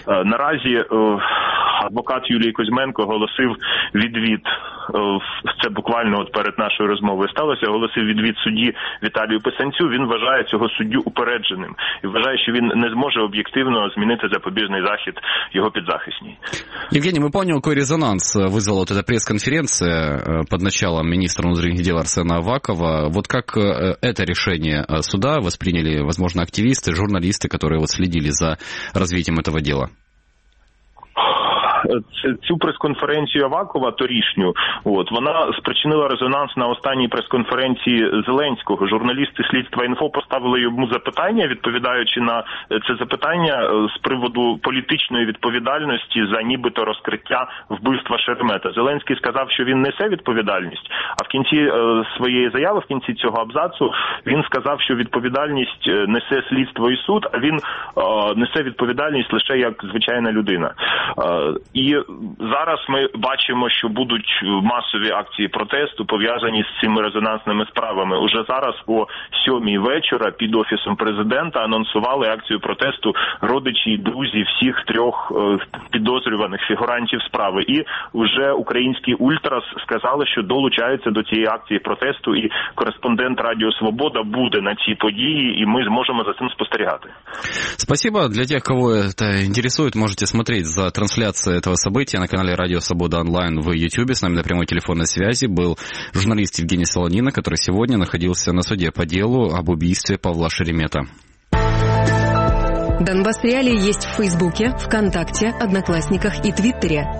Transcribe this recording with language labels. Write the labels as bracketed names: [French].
[Ukrainian] Наразі адвокат Юлій Кузьменко оголосив відвід, це буквально от перед нашою розмовою сталося, оголосив відвід судді Віталію Писанцю. Він вважає цього суддю упередженим і вважає, що він не зможе об'єктивно змінити запобіжний захід його підзахисній. [Russian] Евгений, ми поняли, [Ukrainian] який [Russian] резонанс вызвала вот эта пресс-конференция под началом министра внутренних дел Арсена Авакова. Вот как это решение суда восприняли, возможно, активисты, журналисты, которые вот следили за развитием этого дела? [Ukrainian] Цю прес-конференцію Авакова торішню, от вона спричинила резонанс на останній прес-конференції Зеленського. Журналісти слідства інфо поставили йому запитання, відповідаючи на це запитання з приводу політичної відповідальності за нібито розкриття вбивства Шеремета. Зеленський сказав, що він несе відповідальність, а в кінці своєї заяви, в кінці цього абзацу, він сказав, що відповідальність несе слідство і суд, а він несе відповідальність лише як звичайна людина. І зараз ми бачимо, що будуть масові акції протесту, пов'язані з цими резонансними справами. Уже зараз о 7-й вечора під офісом президента анонсували акцію протесту родичі і друзі всіх трьох підозрюваних фігурантів справи. І вже українські ультрас сказали, що долучаються до цієї акції протесту, і кореспондент Радіо Свобода буде на цій події, і ми зможемо за цим спостерігати. [Russian] Спасибо. [Ukrainian] Для тих, кого це інтересує, [Russian] можете смотреть [Ukrainian] за трансляцією [Russian] этого события на канале Радио Свобода онлайн в YouTube. С нами на прямой телефонной связи был журналист Евгений Солонина, который сегодня находился на суде по делу об убийстве Павла Шеремета. Донбасс Реалии есть в Фейсбуке, ВКонтакте, Одноклассниках и Твиттере.